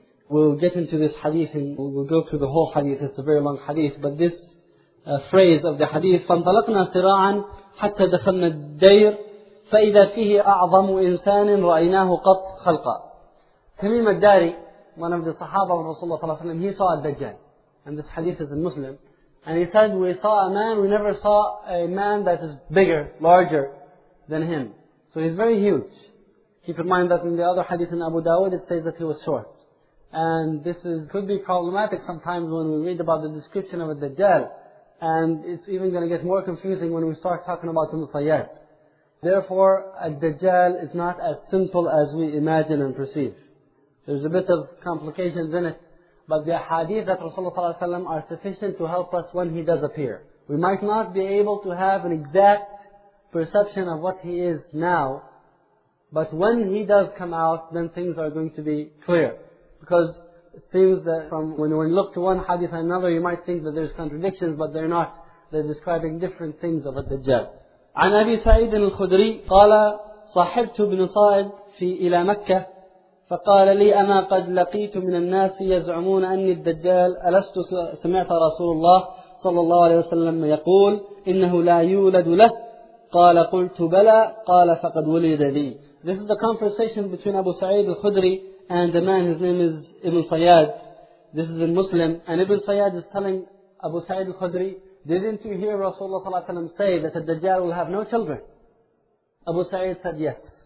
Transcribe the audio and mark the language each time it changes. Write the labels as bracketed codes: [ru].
[en] We'll get into this hadith and we'll go through the whole hadith. It's a very long hadith. But this phrase of the hadith, [ar] فَانْطَلَقْنَا سِرَاعًا حَتَّى دَخَلْنَا الدَّيْرِ فَإِذَا فِيهِ أَعْظَمُ إِنسَانٍ رَأَيْنَاهُ قَطْ خَلْقًا. [en] Tamim al-Dari, one of the Sahaba of Rasulullah, he saw a Dajjal. And this hadith is in Muslim. And he said, we saw a man, we never saw a man that is bigger, larger than him. So he's very huge. Keep in mind that in the other hadith in Abu Dawud, it says that he was short. And this is could be problematic sometimes when we read about the description of a Dajjal. And it's even going to get more confusing when we start talking about the Musayyad. Therefore, a Dajjal is not as simple as we imagine and perceive. There's a bit of complications in it. But the hadith that Rasulullah ﷺ are sufficient to help us when he does appear. We might not be able to have an exact perception of what he is now. But when he does come out, then things are going to be clear. Because it seems that from when you look to one hadith and another, you might think that there's contradictions, but they're not. They're describing different things of a Dajjal. [ar] عن أبي سعيد الخدري قال صاحبت بن صائد في إلى مكة فقال لي أما قد لقيت من الناس يزعمون أني الدجال ألست سمعت رسول الله صلى الله عليه وسلم يقول إنه لا يولد له قال قلت بلى قال فقد ولد لي. [en] This is the conversation between Abu Sa'id al-Khudri and a man, his name is Ibn Sayyad. This is in Muslim. And Ibn Sayyad is telling Abu Sa'id al-Khudri, didn't you hear Rasulullah ﷺ say that the Dajjal will have no children? Abu Sa'id said yes.